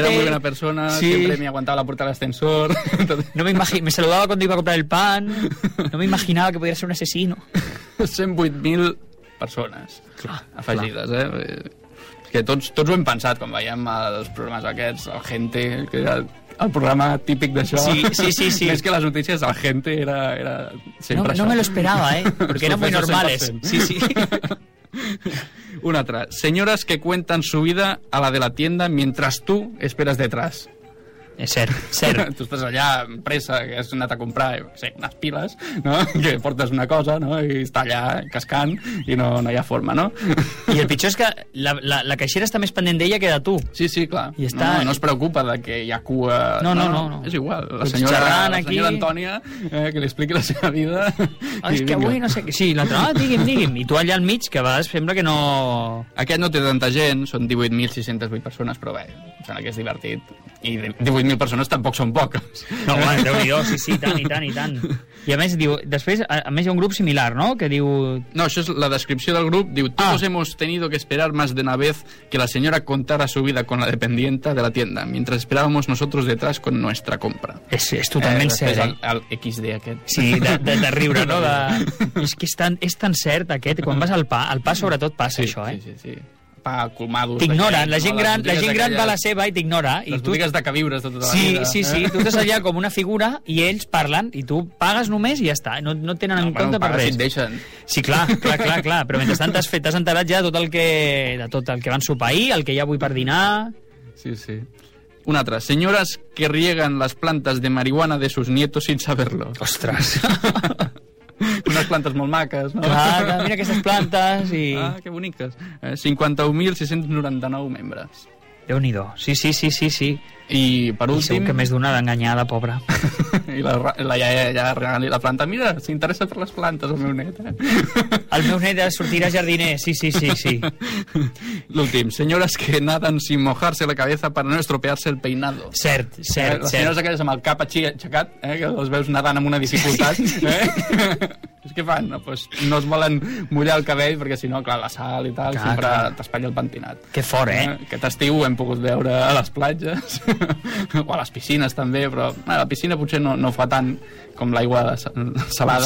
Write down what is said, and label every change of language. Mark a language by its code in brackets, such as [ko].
[es] Era muy buena persona, sí. Siempre me aguantaba la puerta del ascensor. No me saludaba cuando iba a comprar el pan. No me imaginaba que podía ser un asesino. [ca] 108.000 persones, clar, afegides, clar. Eh? Que tots ho hem pensat, quan veiem els programes aquests, el Gente, que era el programa típic d'això. Sí, sí, sí, sí. Més que les notícies, el Gente era sempre no, això. [es] No me lo esperaba, eh? [ca] Perquè eren [es] muy normales. [ca] Sí, sí. Una altra. [es] Señoras que cuentan su vida a la de la tienda mientras tú esperas detrás. [ca] És cert, cert. Tu estàs allà amb pressa, que has anat a comprar, no sé, unes piles, no? Que portes una cosa, no? I està allà cascant i no hi ha forma, no? I el pitjor és que la caixera està més pendent d'ella que de tu. Sí, sí, clar. I està... No es preocupa de que hi ha cua... No. És igual. La senyora, xerrant aquí... La senyora Antònia, que li expliqui la seva vida... Ah, és que avui no sé... Sí, l'altre... Ah, digui'm. I tu allà al mig, que a vegades sembla que no... Aquest no té tanta gent, són 18.608 persones, però bé, sembla que és divertit. I 18.000 persones tampoc són poques. No, home, Déu-n'hi-do, sí, tant. I a més, diu, després, a més hi ha un grup similar, no?, que diu... No, això és la descripció del grup, diu... [es] Todos hemos tenido que esperar más de una vez que la señora contara su vida con la dependienta de la tienda, mientras esperábamos nosotros detrás con nuestra compra. [ca] És totalment cert, eh? El XD aquest. Sí, de riure, no? És que és tan cert aquest, quan vas al pa, el pa sobretot passa, sí, això, eh? Sí, sí, sí. Pa, colmados... T'ignora, la gent gran va a la seva i t'ignora. Les botigues de queviures de tota la sí, vida. Sí, sí, eh? Tu estàs allà com una figura i ells parlen i tu pagues només i ja està. No tenen en compte per res. Si et deixen. Sí, clar. Però mentrestant t'has enterat ja de tot el que van sopar ahir, el que hi ha avui per dinar... Sí, sí. Una altra. [es] Señoras que riegan las plantas de marihuana de sus nietos sin saberlo. [ca] Ostres... Unes plantes molt maques, no? Clar, mira aquestes plantes i... Ah, que boniques. 51.699 membres. Déu-n'hi-do. Sí. I per últim... Segur que més d'una d'enganyada, pobra. I la iaia ja regalant-li la planta. Mira, s'interessa per les plantes, el meu net. El meu net sortirà jardiner. Sí. L'últim. Senyores que naden [es] sin mojarse la cabeza para no estropearse el peinado. [ca] Cert. Les senyores aquelles amb el cap així aixecat, que les veus nadant amb una dificultat. Sí. És que fan, no? Pues no es volen mullar el cabell perquè, si no, clar, la sal i tal, sempre t'espatlla el pentinat. Que fort, eh? Aquest estiu ho hem pogut veure a les platges. O a les piscines també, però la piscina potser no fa tant com l'aigua salada.